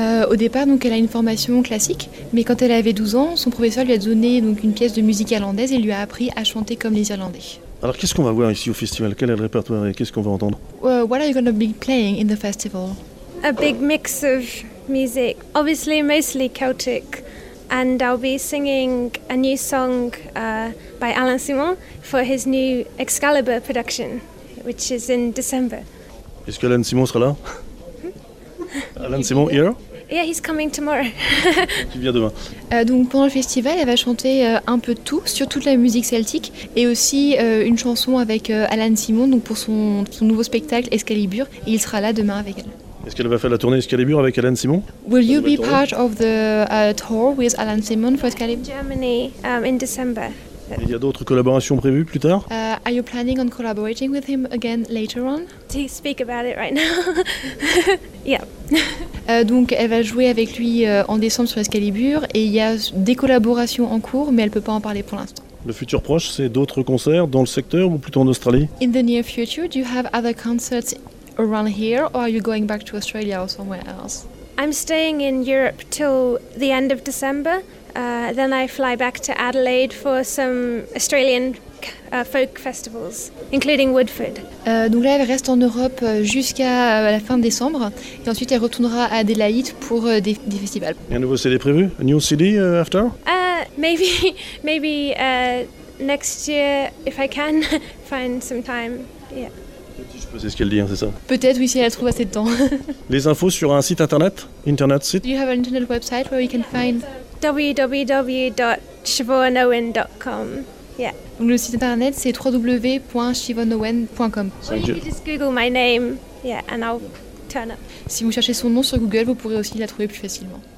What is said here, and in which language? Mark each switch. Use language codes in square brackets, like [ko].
[fr] Au départ, donc, elle a une formation classique, mais quand elle avait 12 ans, son professeur lui a donné donc une pièce de musique irlandaise et lui a appris à chanter comme les Irlandais. Alors, qu'est-ce qu'on va voir ici au festival? Quel est le répertoire et qu'est-ce qu'on va entendre? [en] What are you going to be playing in the festival? A big mix of music, obviously mostly Celtic. And I'll be singing a new song by Alain Simon for his new Excalibur production, which is in December. [fr] Est-ce qu'Alain Simon sera là? [en] Alain Simon here? Yeah, he's coming tomorrow. [fr] Il vient demain. Donc pendant le festival, elle va chanter un peu de tout, sur toute la musique celtique, et aussi une chanson avec Alain Simon, donc pour son nouveau spectacle Excalibur, et il sera là demain avec elle. Est-ce qu'elle va faire la tournée Excalibur avec Alain Simon? [en] Will you be part of the tour with Alain Simon for Excalibur? Germany in December. [fr] Il y a d'autres collaborations prévues plus tard? [en] Are you planning on collaborating with him again later on? To speak about it right now. Yeah. [fr] Donc elle va jouer avec lui en décembre sur Excalibur et il y a des collaborations en cours, mais elle peut pas en parler pour l'instant. Le futur proche, c'est d'autres concerts dans le secteur ou plutôt en Australie? [en] In the near future, do you have other concerts around here, or are you going back to Australia or somewhere else? I'm staying in Europe till the end of December. Then I fly back to Adelaide for some Australian folk festivals, including Woodford. [fr] Donc là, elle reste en Europe jusqu'à la fin décembre, et ensuite elle retournera à Adelaide pour des festivals. Et un nouveau CD prévu? [en] A new CD after? Maybe next year if I can find some time. Yeah. [fr] Je sais ce qu'elle dit, c'est ça. Peut-être, oui, si elle trouve assez de temps. Les infos sur un site internet site. [en] Do you have an internet website where you can find www.siobhanowen.com? Yeah. [fr] Donc le site internet, c'est www.siobhanowen.com. [en] Or you can just Google my name, yeah, and I'll turn up. [fr] Si vous cherchez son nom sur Google, vous pourrez aussi la trouver plus facilement.